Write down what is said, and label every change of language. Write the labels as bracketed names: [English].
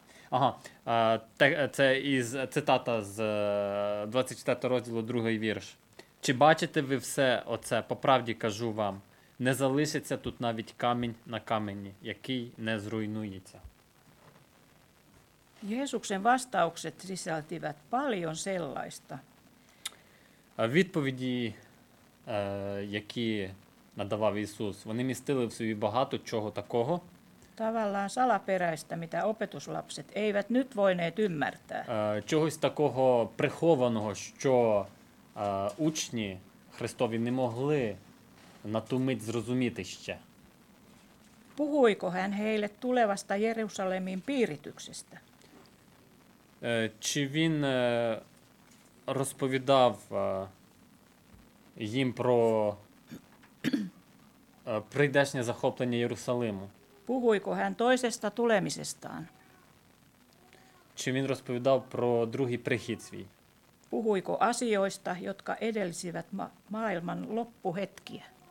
[Ukrainian] Ага, це із цитата з 24 розділу, другий вірш. Чи бачите ви все оце? По правді кажу вам, Не залишиться тут навіть камінь на камені, який не зруйнується. [Finnish] Jeesuksen vastaukset sisältivät paljon sellaista. [Ukrainian] Відповіді, які надавав Ісус, вони містили в собі багато чого такого. [Finnish] Tavallaan salaperäistä, mitä opetuslapset eivät nyt voineet ymmärtää. [Ukrainian] Чогось такого прихованого, що учні Христові не могли на ту мить зрозуміти ще. [Finnish] Puhuiko hän heille tulevasta Jerusalemin piirityksestä? [Ukrainian] Чи він розповідав їм про прийдешнє захоплення Єрусалиму? [Finnish] Puhuiko hän toisesta tulemisestaan? [Ukrainian] Чи він розповідав про другий прихід свій? [Finnish] Puhuiko asioista, jotka edelsivät maailman loppuhetkiä?